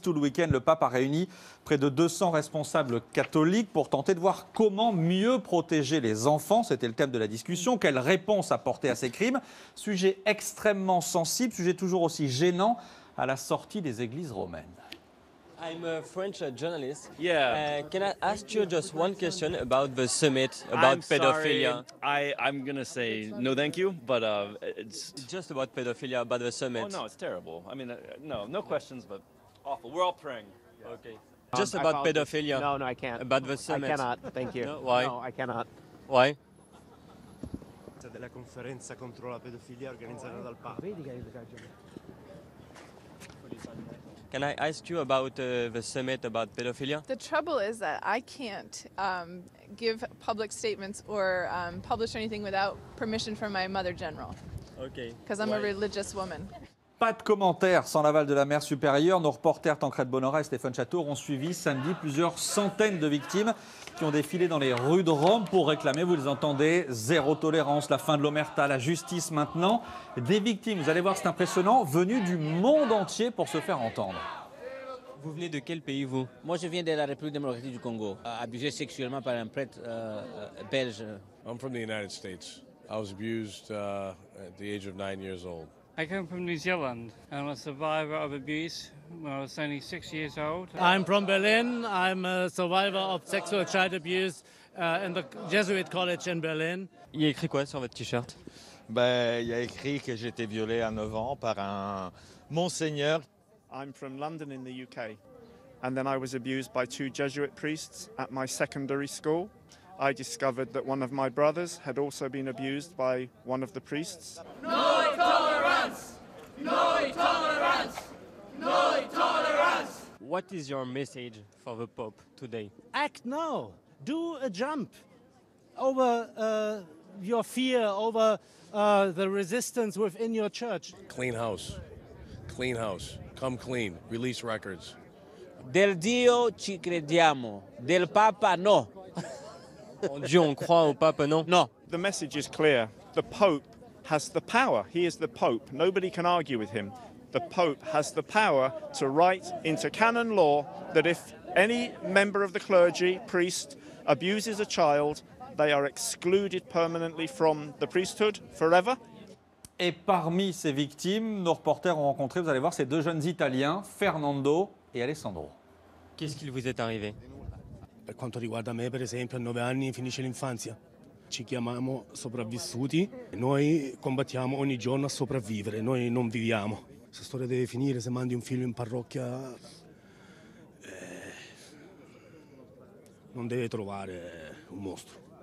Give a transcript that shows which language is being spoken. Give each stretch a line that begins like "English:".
French: Tout le week-end, le pape a réuni près de 200 responsables catholiques pour tenter de voir comment mieux protéger les enfants. C'était le thème de la discussion. Quelle réponse apporter à ces crimes? Sujet extrêmement sensible, sujet toujours aussi gênant à la sortie des églises romaines.
English: I'm a French journalist. Yeah. Can I ask you just one question about the summit, about I'm pedophilia? Sorry. I'm going to say no thank you, but it's... Just about pedophilia, about the summit. Oh no, it's terrible. I mean, no questions, but awful. We're all praying. Yeah. Okay. Just about pedophilia. No, I can't. About the summit. I cannot, thank you. No, why? No, I cannot. Why?
Italian: Della conferenza contro la pedofilia organizzata dal Papa.
English: Can I ask you about the summit about pedophilia? The trouble is that I can't give public statements or publish anything without permission from my mother general. Okay. Because I'm a religious woman.
French: Pas de commentaires sans l'aval de la mère supérieure. Nos reporters Tancrède Bonnora et Stéphane Chateau ont suivi samedi plusieurs centaines de victimes qui ont défilé dans les rues de Rome pour réclamer, vous les entendez, zéro tolérance, la fin de l'omerta, la justice maintenant. Des victimes, vous allez voir, c'est impressionnant, venues du monde entier pour se faire entendre. Vous venez de quel pays, vous? Moi, je viens de la République démocratique du Congo, abusé sexuellement par un prêtre belge.
English: I'm from the United States. I was abused at the age of 9 years old. I come from New Zealand. I'm a survivor of abuse when I was only 6 years old. I'm from Berlin. I'm a survivor of sexual child abuse in the Jesuit College in Berlin.
French: Il y a écrit quoi sur votre t-shirt? Ben, il y a écrit que j'ai été violée à 9 ans par un monseigneur.
English: I'm from London in the UK. And then I was abused by two Jesuit priests at my secondary school. I discovered that one of my brothers had also been abused by one of the priests. No tolerance! No tolerance! No tolerance! What is your message for the Pope today? Act now! Do a jump over your fear, over the resistance within your church. Clean house. Clean house. Come clean. Release records.
Italian: Del Dio ci crediamo. Del Papa no.
French: Dieu, on croit au pape, non? Non.
English: The message is clear. The Pope has the power. He is the Pope. Nobody can argue with him. The Pope has the power to write into canon law that if any member of the clergy, priest, abuses a child, they are excluded permanently from the priesthood forever.
French: Et parmi ces victimes, nos reporters ont rencontré, vous allez voir, ces deux jeunes Italiens, Fernando et Alessandro. Qu'est-ce qu'il vous est arrivé?
Italian: Per quanto riguarda me, per esempio, a 9 anni finisce l'infanzia. Ci chiamiamo sopravvissuti. Noi combattiamo ogni giorno a sopravvivere, noi non viviamo. Se la storia deve finire, se mandi un figlio in parrocchia, non deve trovare un mostro.